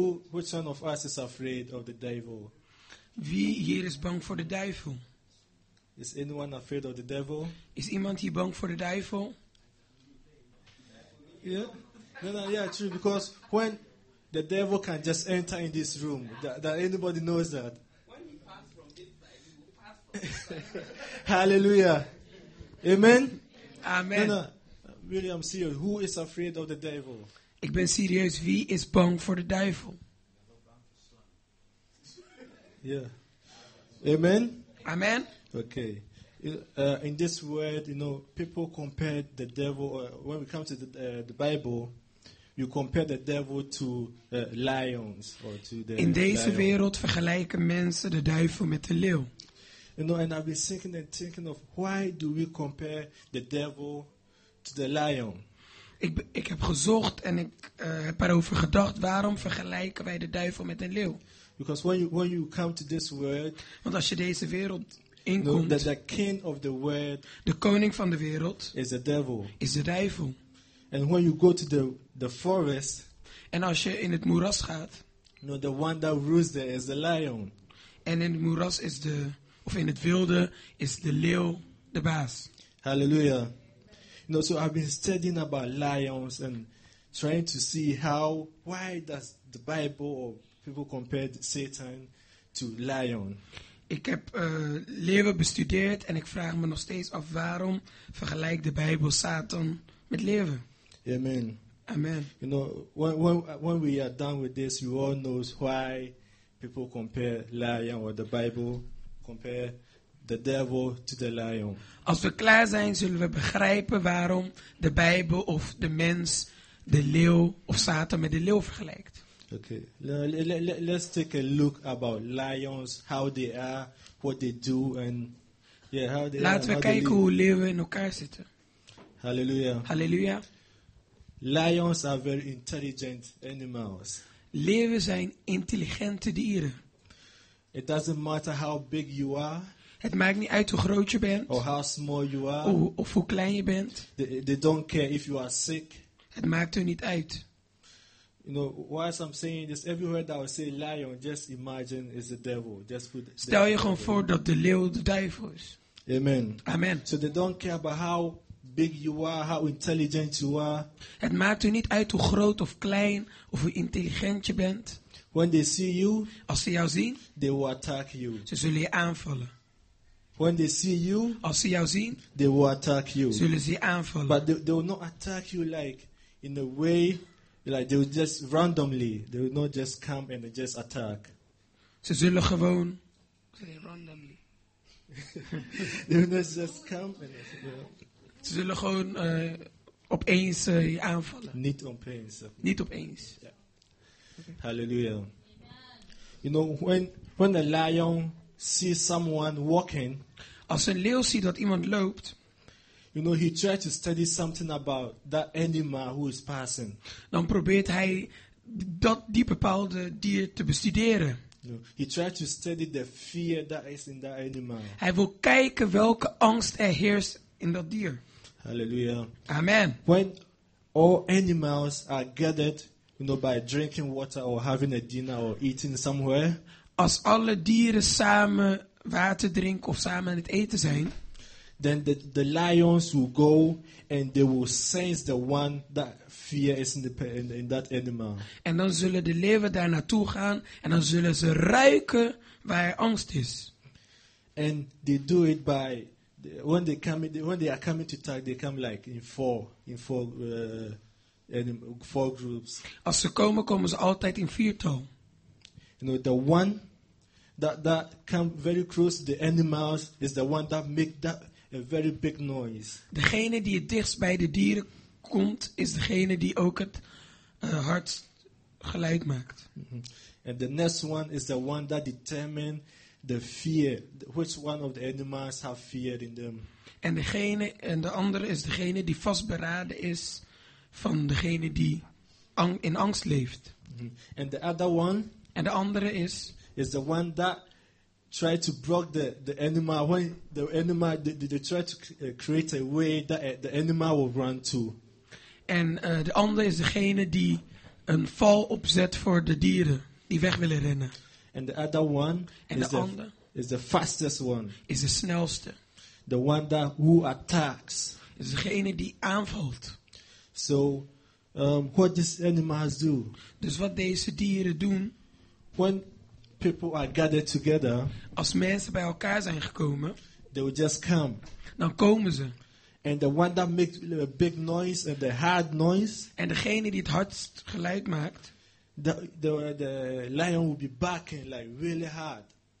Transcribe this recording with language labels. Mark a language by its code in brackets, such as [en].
[en] Which one of us is afraid of the devil? [nl] Wie hier is bang voor de duivel? [en] Is anyone afraid of the devil? [nl] Is iemand hier bang voor de duivel? [en] Yeah. True. Because when the devil can just enter in this room, that anybody knows that. When he passed from this side, he will pass from this side. Hallelujah. Amen. Amen. Really, I'm serious. Who is afraid of the devil? [nl] Ik ben serieus. Wie is bang voor de duivel? [en] Yeah. Amen. Amen. Okay. In this word, you know, people compare the devil. When we come to the Bible, you compare the devil to lions or to the. [nl] In deze wereld vergelijken mensen de duivel met de leeuw. [en] You know, and I've been thinking of why do we compare the devil to the lion? [nl] Ik heb gezocht en ik heb erover gedacht. Waarom vergelijken wij de duivel met een leeuw? [en] Because when you come to this world, [nl] want als je deze wereld inkomt, [en] that the king of the world, [nl] de koning van de wereld, [en] is the devil. [nl] Is de duivel. [en] And when you go to the forest, [nl] en als je in het moeras gaat, [en] the one that rules there is the lion. [nl] En in het moeras is de of in het wilde is de leeuw de baas. Halleluja. [en] You know, so I've been studying about lions and trying to see how, why does the Bible or people compare Satan to lion? [nl] Ik heb leeuwen bestudeerd en ik vraag me nog steeds af waarom vergelijkt de Bijbel Satan met leeuwen? Amen. Amen. [en] You know, when we are done with this, you all know why people compare lion or the Bible compare the devil to the lion. [nl] Als we klaar zijn, zullen we begrijpen waarom de Bijbel of de mens de leeuw of Satan met de leeuw vergelijkt. [en] Okay. Let's take a look about lions, how they are, what they do, and how they. [nl] Laten [en] are [nl] we kijken hoe leeuwen in elkaar zitten. Hallelujah. Hallelujah. [en] Lions are very intelligent animals. [nl] Leeuwen zijn intelligente dieren. [en] It doesn't matter how big you are. [nl] Het maakt niet uit hoe groot je bent. [en] Or how small you are. [nl] Of hoe klein je bent. [en] They don't care if you are sick. [nl] Het maakt er niet uit. [en] You know, whilst I'm saying this, everywhere that I say lion, just imagine it's the devil. Just put. [nl] Stel je gewoon voor dat de leeuw de duivel is. Amen. Amen. [en] So they don't care about how big you are, how intelligent you are. [nl] Het maakt er niet uit hoe groot of klein of hoe intelligent je bent. [en] When they see you, [nl] als ze jou zien, [en] they will attack you. [nl] Ze zullen je aanvallen. [en] When they see you, [nl] als ze jou zien, [en] they will attack you. [nl] Zullen ze je aanvallen. [en] But they will not attack you like in a way, like they will just randomly. They will not just come and just attack. [nl] Ze zullen gewoon. [en] Randomly. They will not just come and. [nl] Ze zullen gewoon opeens je aanvallen. Niet opeens. Niet opeens. [en] Yeah. Hallelujah. You know, when a lion sees someone walking, [nl] als een leeuw ziet dat iemand loopt, [en] you know, he tries to study something about that animal who is passing. [nl] Dan probeert hij die bepaalde dier te bestuderen. [en] You know, he tries to study the fear that is in that animal. [nl] Hij wil kijken welke angst er heerst in dat dier. Hallelujah. Amen. [en] When all animals are gathered, you know, by drinking water or having a dinner or eating somewhere. [nl] Als alle dieren samen water drinken of samen aan het eten zijn, [en] then the lions will go and they will sense the one that fear is in that animal. [nl] En dan zullen de leeuwen daar naartoe gaan en dan zullen ze ruiken waar angst is. [en] And they do it by when they come in, when they are coming to attack, they come like in four. And in four groups. [nl] Als ze komen, komen ze altijd in viertal. [en] You know, the one that come very close to the animals is the one that make that a very big noise. [nl] Degene die het dichtst bij de dieren komt, is degene die ook het hart gelijk maakt. [en] And the next one is the one that determines the fear. Which one of the animals have fear in them? [nl] En degene, en de andere is degene die vastberaden is van degene die in angst leeft. [en] And the other one. [nl] En de andere is. [en] Is the one that try to block the animal when the animal they try to create a way that the animal will run to. [nl] En de andere is degene die een val opzet voor de dieren die weg willen rennen. [en] And the other one [nl] en [en] is [nl] de andere [en] is the fastest one. [nl] Is de snelste. [en] The one that who attacks. [nl] Is degene die aanvalt. [en] So, what these animals do? [nl] Dus wat deze dieren doen? [en] When people are gathered together. [nl] Als mensen bij elkaar zijn gekomen. [en] They will just come. [nl] Dan komen ze. [en] And the one that makes a big noise and the hard noise. [nl] En degene die het hardst geluid maakt. [en] The lion will be barking like really hard.